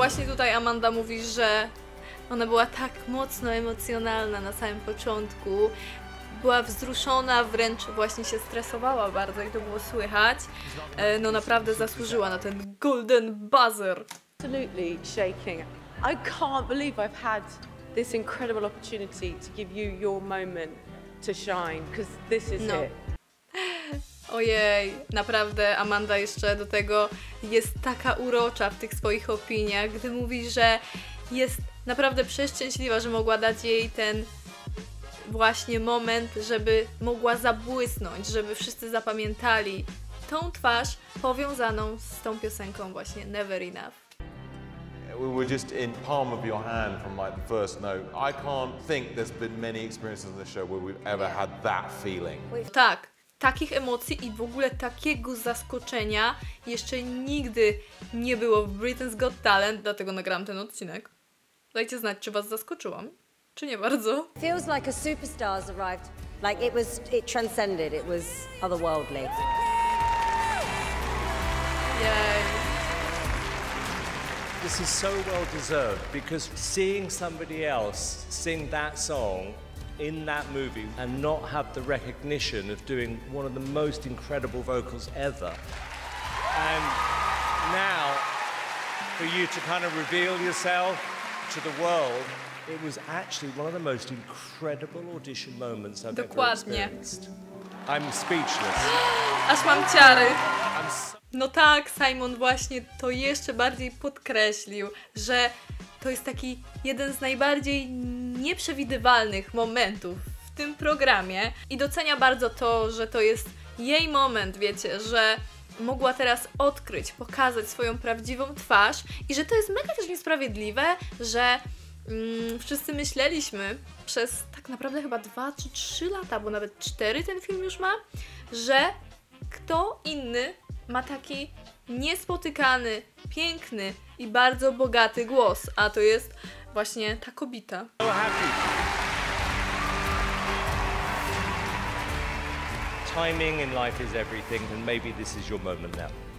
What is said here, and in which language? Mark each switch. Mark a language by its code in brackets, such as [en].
[pl] Tutaj Amanda mówi, że ona była tak mocno emocjonalna na samym początku, była wzruszona, wręcz właśnie się stresowała bardzo i to było słychać. No naprawdę zasłużyła na ten golden buzzer. [en] Absolutely shaking. I can't believe I've had this incredible opportunity to give you your moment to shine, because this is it. [pl] Ojej, naprawdę Amanda jeszcze do tego jest taka urocza w tych swoich opiniach, gdy mówi, że jest naprawdę przeszczęśliwa, że mogła dać jej ten właśnie moment, żeby mogła zabłysnąć, żeby wszyscy zapamiętali tą twarz powiązaną z tą piosenką właśnie Never Enough. [en] We were just in palm of your hand from like the first note. I can't think there's been many experiences on the show where we've ever had that feeling. [pl] Tak, takich emocji i w ogóle takiego zaskoczenia jeszcze nigdy nie było w Britain's Got Talent, dlatego nagrałam ten odcinek. Dajcie znać, czy was zaskoczyłam, czy nie bardzo. [en] Feels like a superstar's arrived. Like it transcended, it was otherworldly. Yay. This is so well deserved because seeing somebody else sing that song in that movie and not have the recognition of doing one of the most incredible vocals ever. And now for you to kind of reveal yourself to the world, it was actually one of the most incredible audition moments I've ever experienced. I'm speechless. [pl] Aż mam ciary. No tak, Simon właśnie to jeszcze bardziej podkreślił, że to jest taki jeden z najbardziej nieprzewidywalnych momentów w tym programie i docenia bardzo to, że to jest jej moment, wiecie, że mogła teraz odkryć, pokazać swoją prawdziwą twarz i że to jest mega też niesprawiedliwe, że wszyscy myśleliśmy przez tak naprawdę chyba 2 czy 3 lata, bo nawet 4 ten film już ma, że kto inny ma taki niespotykany, piękny i bardzo bogaty głos, a to jest właśnie ta kobita. [en] So happy. Timing in life is everything, and maybe this is your moment now.